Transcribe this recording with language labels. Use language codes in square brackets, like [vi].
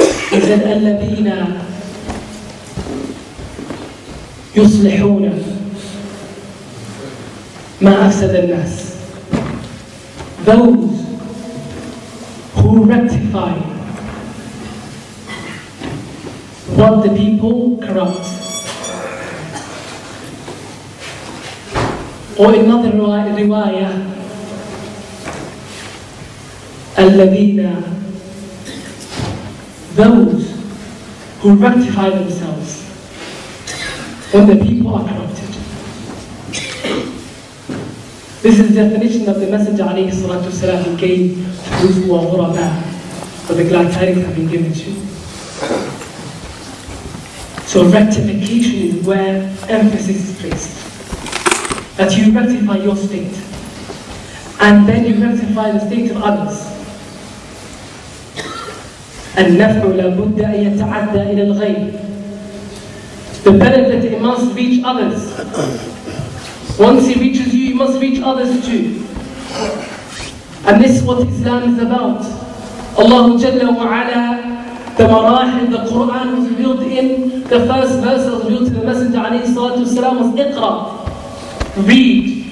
[en] He said, [ar] الَّذِينَ يُصْلِحُونَ مَا أَفْسَدَ النَّاسِ. [en] Those who rectify what the people corrupt. Or in another riwayah, الَّذِينَ those who rectify themselves when the people are corrupted. This is the definition that the Messenger alayhi salatu wasalam gave to those who are ghuraba, for the glad tidings have been given to. So rectification is where emphasis is placed. That you rectify your state, and then you rectify the state of others. [ar] النفع لابد أن يتعدى إلى الغير. [en] The benefit, it must reach others. Once it reaches you, it must reach others too. And this is what Islam is about. Allah Jalla wa'ala, the marahil, the Quran was revealed in, the first verse was revealed to the Messenger alayhi salatu wasalam was Iqra. Read.